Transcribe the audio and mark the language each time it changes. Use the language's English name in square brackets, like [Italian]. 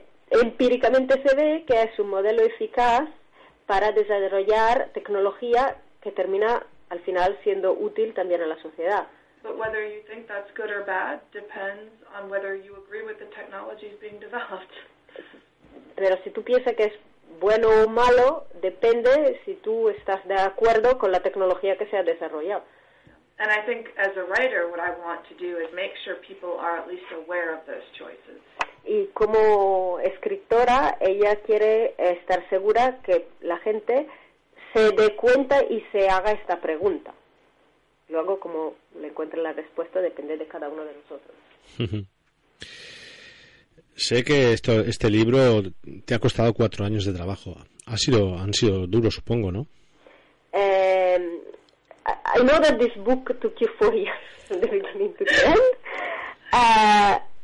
[Spanish] Empíricamente se ve que es un modelo eficaz para desarrollar tecnología que termina al final siendo útil también a la sociedad. [English] But whether you think that's good or bad depends on whether you agree with the technologies being developed. [Spanish] Pero si tú piensas que es bueno o malo, depende si tú estás de acuerdo con la tecnología que se ha desarrollado. [English] And I think as a writer what I want to do is make sure people are at least aware of those choices. [Spanish] Y como escritora, ella quiere estar segura que la gente se dé cuenta y se haga esta pregunta. Luego, como le encuentre la respuesta, depende de cada uno de nosotros. Sé que este libro te ha costado 4 años de trabajo. Han sido duros, supongo, ¿no? [English] I know that this book took you 4 years from the beginning to the end.